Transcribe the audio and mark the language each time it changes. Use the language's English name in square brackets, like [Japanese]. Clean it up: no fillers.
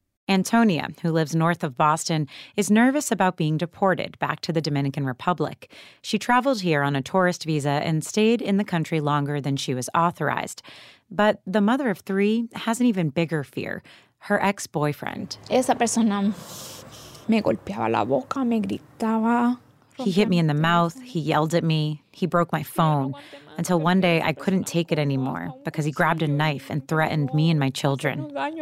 [English] Antonia, who lives north of Boston, is nervous about being deported back to the Dominican Republic. She traveled here on a tourist visa and stayed in the country longer than she was authorized. But the mother of three has an even bigger fear, her ex-boyfriend. [Spanish] Esa persona me golpeaba la boca, me gritaba. [English] He hit me in the mouth, he yelled at me, he broke my phone, until one day I couldn't take it anymore because he grabbed a knife and threatened me and my children.